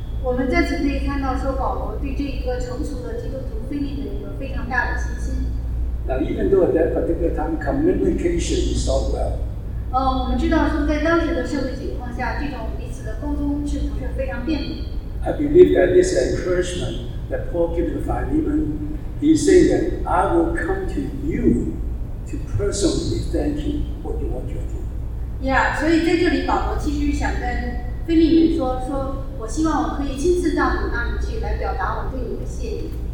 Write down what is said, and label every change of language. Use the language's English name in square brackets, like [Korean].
[Chinese] 我们在此可以看到说，保罗对这一个成熟的基督徒腓利门有非常大的信心。 [English] Now, even though at that particular time communication is not well. [Chinese] 我们知道说，在当时的社会情况下，这种彼此的沟通是不是非常便利。 [English] I believe that this encouragement that Paul gives to Philemon, he says that I will come to you to personally thank you for what you are doing. [Chinese] Yeah, 所以在这里，保罗其实想跟腓利门说，我希望我可以亲自到你那里去，来表达我对你的谢意。